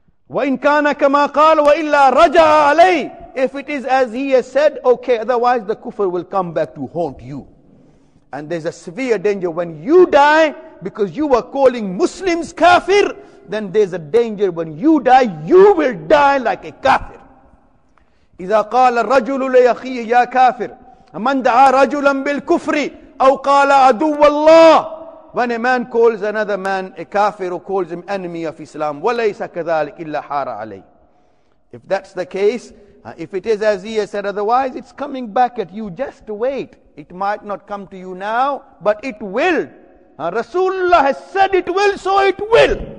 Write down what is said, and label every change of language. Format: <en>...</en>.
<ar>وَإِنْ كَانَ كَمَا قَالَ وَإِلَّا رَجَعَ عَلَيْهِ.</ar> <en>If it is as he has said, okay, otherwise the kufr will come back to haunt you. And there's a severe danger when you die, because you were calling Muslims kafir, then there's a danger when you die, you will die like a kafir.</en> <ar>إذا قال الرجل لأخيه يا كافر من دعا رجلا بالكفر أو قال عدو الله.</ar> <en>When a man calls another man a kafir or calls him enemy of Islam,</en> <ar>وليس كذلك إلا حار عليه.</ar> <en>If that's the case, if it is as he has said otherwise, it's coming back at you. Just wait. It might not come to you now, but it will. Rasulullah has said it will, so it will.</en>